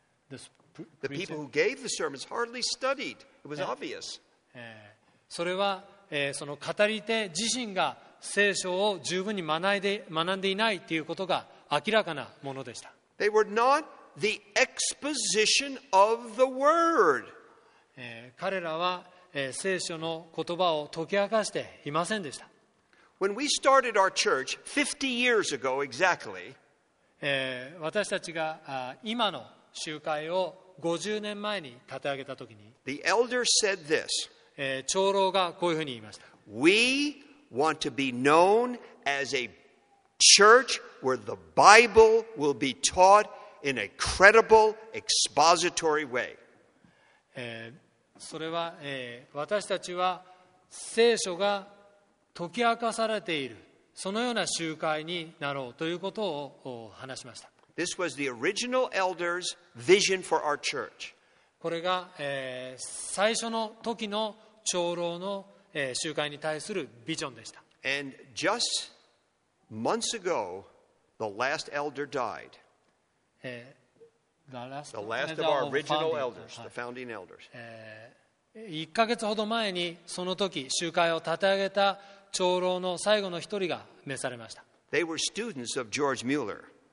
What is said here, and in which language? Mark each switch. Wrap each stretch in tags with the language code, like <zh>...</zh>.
<en>The people who gave the sermons hardly studied. It was obvious.</en> <ja>それは、その語り手自身が聖書を十分に学んでいないということが明らかなものでした。</ja> <en>They were not the exposition of the word.</en> <ja>彼らは、聖書の言葉を解き明かしていませんでした。</ja> <en>When we started our church 50 years ago exactly,</en> <ja>私たちが今の集会を50年前に立て上げたときに、</ja> <en>The elder said this,</en> <ja>長老がこういうふうに言いました。</ja> <en>We want to be known as a church where the Bible will be taught in a credible expository way.</en> <ja>それは、私たちは聖書が解き明かされているそのような集会になろうということを話しました。</ja> <en>This was the original elder's vision for our church.</en> <ja>これが、最初の時の長老の、集会に対するビジョンでした。</ja> <en>And just months ago, the last elder died. The last of our original elders, the founding elders.</en> <ja>1ヶ月ほど前にその時集会を立て上げた長老の最後の一人が召されました。</ja> <en>They were students of George Mueller.</en>